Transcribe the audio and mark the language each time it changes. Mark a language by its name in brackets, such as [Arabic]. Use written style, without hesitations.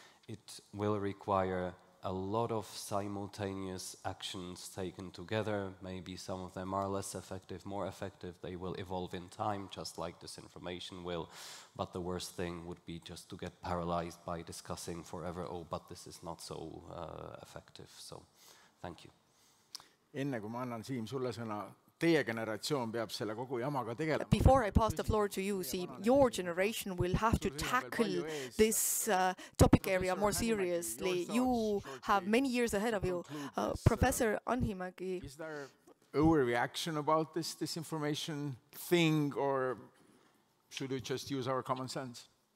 [English] It will require a lot of simultaneous actions taken together. Maybe some of them are less effective, more effective. They will evolve in time, just like disinformation will. But the worst thing would be just to get paralyzed by discussing forever, oh, but this is not so effective. So, thank you. [Estonian] Enne kui ma annan Siim sulle sõna, teie generatsioon peab selle kogu jamaga tegelema. [English] Before I pass the floor to you, Siim, your generation will have to tackle this topic area more seriously. You have many years ahead of you. Professor Anhimägi. Is there overreaction about this disinformation thing, or should we just use our common sense?